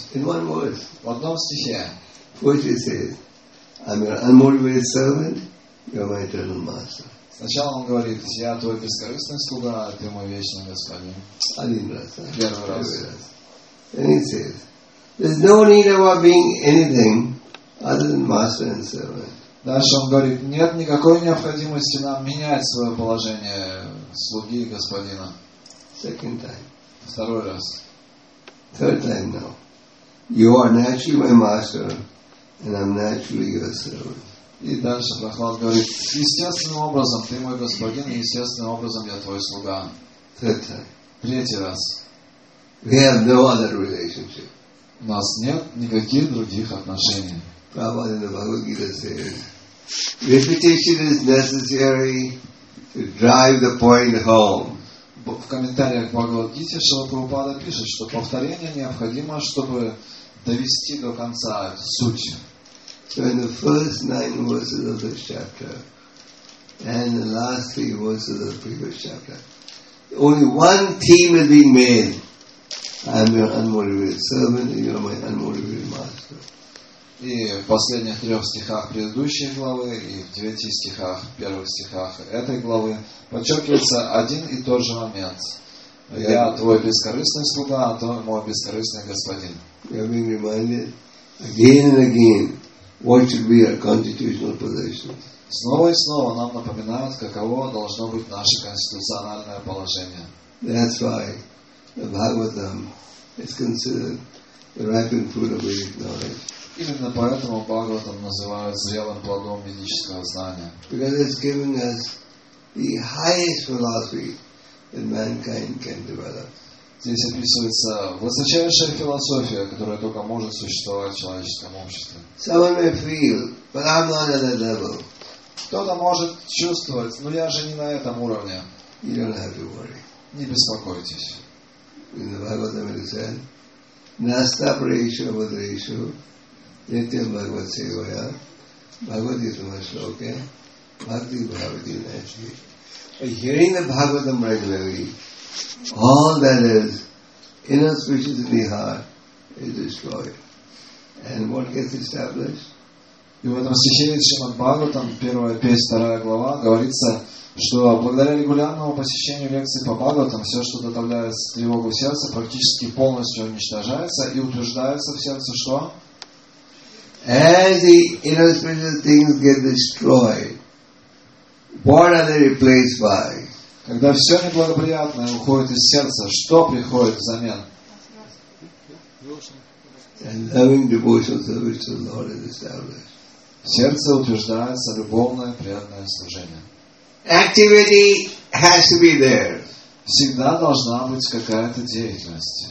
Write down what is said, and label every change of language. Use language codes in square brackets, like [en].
[en] In one verse. [ru] В одном стихе. [en] First he says, I'm your unmotivated servant, you're my eternal master. [ru] Сначала он говорит, я твой бескорыстный слуга, а ты мой вечный господин. Один раз. Первый раз. Раз. [en] And he says, there's no need of our being anything other than master and servant. [ru] Дальше он говорит, нет никакой необходимости нам менять свое положение слуги и господина. [en] Second time. [ru] Второй раз. [en] Third time now. You are naturally my master, and I'm naturally your servant. [ru] И дальше Прохлад говорит, естественным образом ты мой господин, и естественным образом я твой слуга. Третий раз. [en] We have no other relationship. [ru] У нас нет никаких других отношений. [en] Prabhupada in the Bhagavad Gita says, repetition is necessary to drive the point home. [ru] В комментариях к Бхагавад Гите Шрила Прабхупада пишет, что повторение необходимо, чтобы довести до конца суть. [en] So in the first nine verses of this chapter and the last three verses of the previous chapter, only one theme has been made. I'm your unmotivated servant and you're my unmotivated master. [ru] И в последних трех стихах предыдущей главы и в девяти стихах, первых стихах этой главы подчеркивается один и тот же момент. Я твой бескорыстный слуга, а ты мой бескорыстный господин. [en] You're being reminded again and again. What should be our constitutional position? [ru] Снова и снова нам напоминают, каково должно быть наше конституциональное положение. [en] That's why the Bhagavatam is considered the ripened fruit of Vedic knowledge. [ru] Именно поэтому Бхагаватам называют зрелым плодом ведического знания. [en] Because it's giving us the highest philosophy that mankind can develop. [ru] Здесь описывается высочайшая философия, которая только может существовать в человеческом обществе. [en] Someone may feel, but I'm not at that level. [ru] Кто-то может чувствовать, но я же не на этом уровне. [en] You don't have to worry. [ru] Не беспокойтесь. [en] In the Bhagavatam it said, [sa] Nasta Prayeshu Vadreshu Nityam Bhagavat Sevaya Bhagavati Tumashloke Bhakti Bhavati Nashi. [en] By hearing the Bhagavatam regularly, all that is inauspicious in the heart is destroyed. And what gets established? [ru] И в этом стихе из Шримад-Бхагаватам, первая песня, вторая глава, говорится, что благодаря регулярному посещению лекций по Бхагаватам, все, что доставляет тревогу в сердце, практически полностью уничтожается и утверждается в сердце, что? [en] As the inauspicious things get destroyed, What are they replaced by? [ru] Когда все неблагоприятное уходит из сердца, что приходит взамен? [en] And loving devotional service to the Lord is established. [ru] Сердце утверждается любовное преданное служение. [en] Activity has to be there. [ru] Всегда должна быть какая-то деятельность.